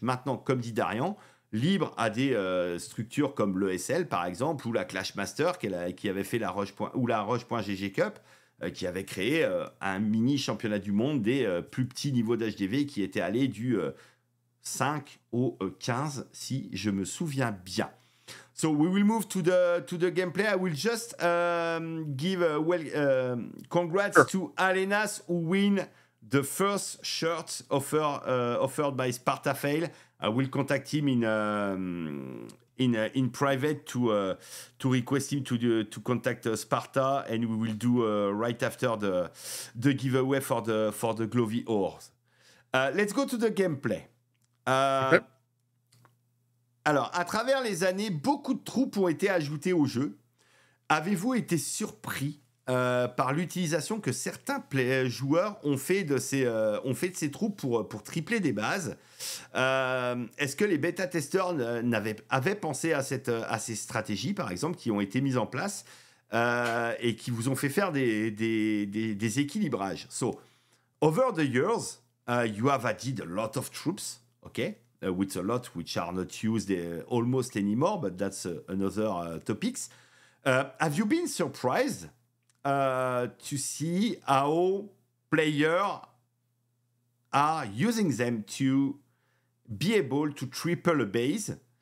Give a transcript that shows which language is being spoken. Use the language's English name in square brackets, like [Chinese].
[French] Maintenant, comme dit Darian, libre à des structures comme l'ESL, par exemple, ou la Clash Master, qui avait fait la Roche, ou la Roche.gg Cup, qui avait créé un mini championnat du monde des plus petits niveaux d'HDV qui étaient allés du 5 au 15, si je me souviens bien. [English] So we will move to the gameplay. I will just give congrats sure. to Alenas who win the first shirt offered by SpartaFail. I will contact him in private to request him to contact Sparta, and we will do right after the giveaway for the Glovy Ores. Let's go to the gameplay. [French] Alors, à travers les années, beaucoup de troupes ont été ajoutées au jeu. Avez-vous été surpris par l'utilisation que certains joueurs ont fait de ces troupes pour tripler des bases? Est-ce que les bêta-testeurs avaient pensé à ces stratégies, par exemple, qui ont été mises en place et qui vous ont fait faire des équilibrages? [English] So, over the years, you have added a lot of troops, okay? With a lot which are not used almost anymore, but that's another topic. Have you been surprised to see how players are using them to be able to triple a base?